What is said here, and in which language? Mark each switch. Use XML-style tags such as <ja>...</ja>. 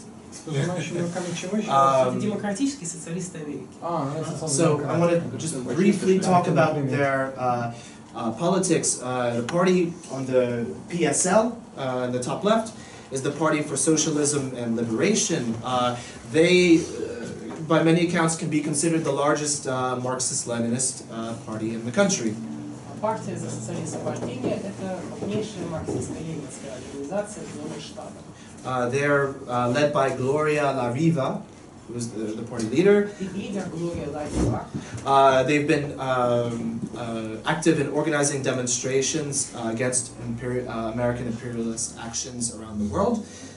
<en>So I want to just briefly talk about their politics. The party on the PSL, in the top left, is the Party for Socialism and Liberation. They, by many accounts, can be considered the largest Marxist-Leninist party in the country.</en> <ru>Партия за социализм и освобождение – это крупнейшая марксистско-ленинская организация в Соединенных Штатах.</ru> <en>They're led by Gloria LaRiva, who's the party leader. They've been active in organizing demonstrations against American imperialist actions around the world.</en>